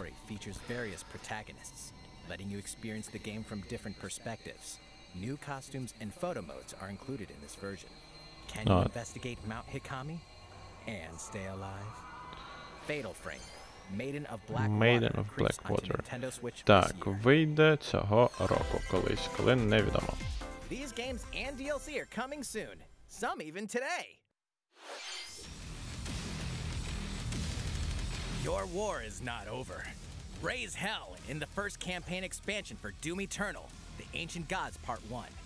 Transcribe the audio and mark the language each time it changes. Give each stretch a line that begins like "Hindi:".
English: Features various protagonists, letting you experience the game from different perspectives. New costumes and photo modes are included in this version. Can you investigate Mount Hikami and stay alive? Fatal Frame, Maiden of Blackwater.
Ukrainian: Так, вийде цього року колись, коли невідомо.
English: These games and DLC are coming soon, some even today. Your war is not over. Raise hell in the first campaign expansion for Doom Eternal, The Ancient Gods Part 1.